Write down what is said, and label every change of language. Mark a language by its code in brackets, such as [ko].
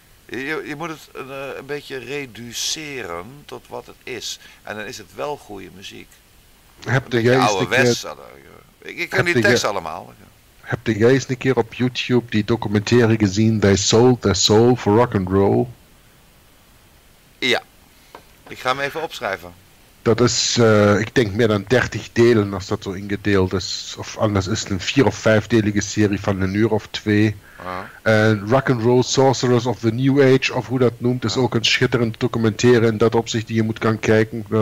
[nl] Je moet het een beetje reduceren tot wat het is. En dan is het wel goede muziek. Heb de juiste ik ken die tekst allemaal. Heb de juiste keer op YouTube die documentaire gezien? [en] They sold their soul for rock and roll. [nl] Ja. Ik ga hem even opschrijven. Dat is, ik denk, meer dan 30 delen als dat zo ingedeeld is. Of anders is het een 4- of 5-delige serie van 1 uur of 2. En Rock'n'Roll Sorcerers of the New Age, of hoe dat noemt, is ook een schitterend documentaire in dat opzicht die je moet gaan kijken.